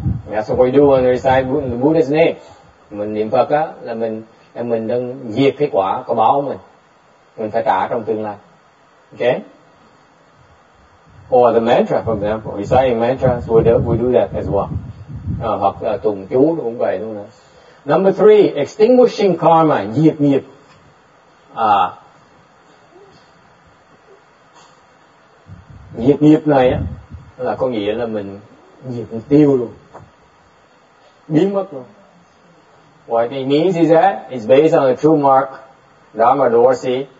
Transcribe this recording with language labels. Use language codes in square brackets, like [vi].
[en] That's what we do when we recite the Buddha's name. [vi] Mình niệm Phật á, là mình đang diệt cái quả có báo của mình. Mình phải trả trong tương lai. Okay? [en] Or the mantra, for example. Reciting mantras, we do that as well. [vi] Hoặc là tụng chú cũng vậy luôn đó. [en] Number three, extinguishing karma, [vi] diệt nghiệp. Diệt nghiệp này á, là có nghĩa là mình diệt tiêu luôn. Biến mất luôn. [en] What it means is that it's based on the true mark, Dharma Dorsi.